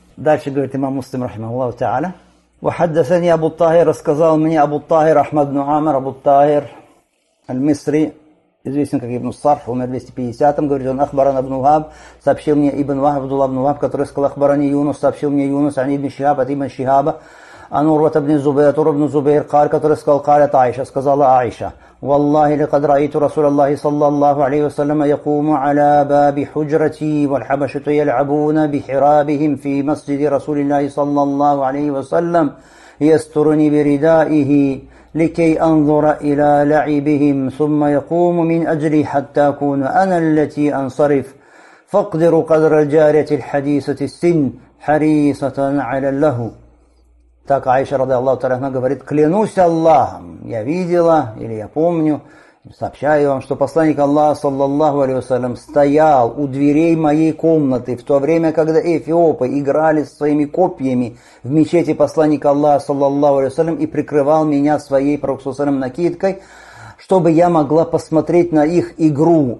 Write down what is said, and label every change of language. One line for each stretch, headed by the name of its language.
Russian: Дальше говорит имам Муслим, рахимахуллаху та'аля. «Вахаддасани Абу Тахир, рассказал мне Абу Тахир, Ахмад ибн Амир, Абу Тахир, аль-Мисри, известен как Ибн Сарф, умер 250-м, говорит он, Ахбаран Абн Вахаб, сообщил мне Ибн Вахаб, Абдулла Абн Вахаб, который сказал, Ахбарани Юнус, сообщил мне Юнус, ани ибн Шихаб, от ибн Шихаба, ан Урва ибн Зубейр, от Урва ибн Зубейр, каль, который сказал, каль, от Айша, сказала Айша».
Arabic: والله لقد رأيت رسول الله صلى الله عليه وسلم يقوم على باب حجرتي والحبشة يلعبون بحرابهم في مسجد رسول الله صلى الله عليه وسلم يسترني بردائه لكي أنظر إلى لعبهم ثم يقوم من أجلي حتى أكون أنا التي أنصرف فاقدر قدر الجارية الحديثة السن حريصة على اللهو.
Russian: Так Аиша, рады Аллаху Тааля, она говорит, клянусь Аллахом, я видела или я помню, сообщаю вам, что посланник Аллаха, саллаллаху алейхи ва саллям, стоял у дверей моей комнаты в то время, когда эфиопы играли своими копьями в мечети посланника Аллаха, саллаллаху алейхи ва саллям, и прикрывал меня своей, пророк саллям, накидкой, чтобы я могла посмотреть на их игру.